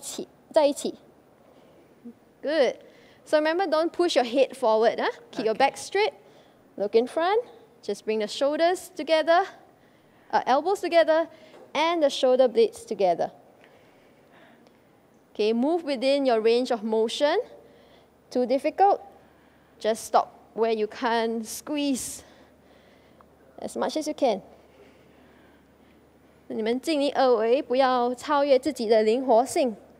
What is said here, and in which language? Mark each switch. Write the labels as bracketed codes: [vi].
[zh] 把你的肘部靠近，然后背部挤压一起，在一起。 [en] Good. So remember, don't push your head forward. Huh? Keep your back straight. Look in front. Just bring the shoulders together, elbows together, and the shoulder blades together. Okay, move within your range of motion. Too difficult? Just stop where you can't squeeze. as much as you can. [zh] 你们尽力而为，不要超越自己的灵活性.